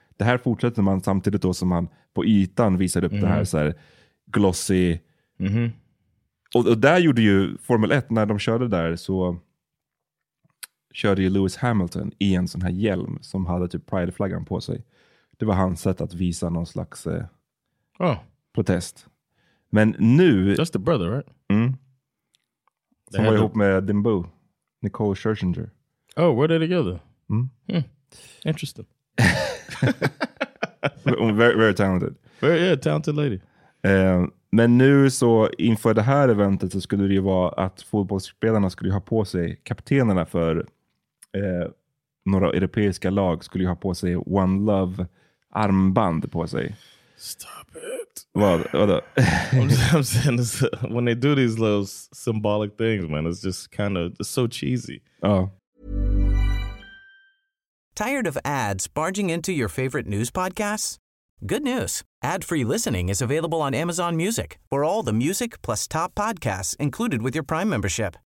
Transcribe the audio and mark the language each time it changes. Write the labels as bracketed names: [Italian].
[Swedish] Det här fortsätter man samtidigt då som man på ytan visar upp det här så här glossy. Och där gjorde ju Formel 1, när de körde där, så körde ju Lewis Hamilton i en sån här hjälm som hade typ Pride-flaggan på sig. Det var hans sätt att visa någon slags protest. Men nu... [English] That's the brother, right? [Swedish] Som var ihop med Dimbo. Nicole Scherzinger. [English] Oh, where did they go there? Interesting. Very, very talented. Talented lady. [Swedish] Men nu så, inför det här eventet, så skulle det ju vara att fotbollsspelarna skulle ha på sig, kaptenerna för några europeiska lag skulle ju ha på sig One Love-armband på sig. [English] Stop it. [Swedish] Vad då? [English] I'm saying this, when they do these little symbolic things, man, it's just kind of, it's so cheesy. Oh. Tired of ads barging into your favorite news podcasts? Good news. Ad-free listening is available on Amazon Music for all the music plus top podcasts included with your Prime membership.